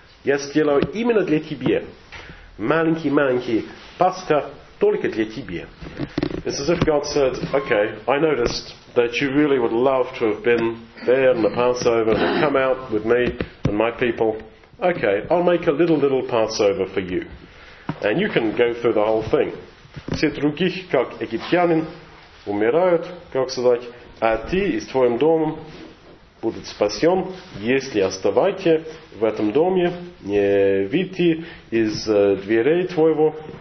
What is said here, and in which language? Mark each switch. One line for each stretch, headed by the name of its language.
Russian: Я сделаю именно для тебя. Маленький Пасха только для тебя.
English: It's as if God said, okay, I noticed that you really would love to have been there in the Passover, come out with me and my people. Okay, I'll make a little Passover for you. And you can go through the whole thing.
Russian: Все других, как египтянин, умирают, как сказать, а ты и с твоим домом будет спасен, если оставайте в этом доме, не выйти из дверей твоего.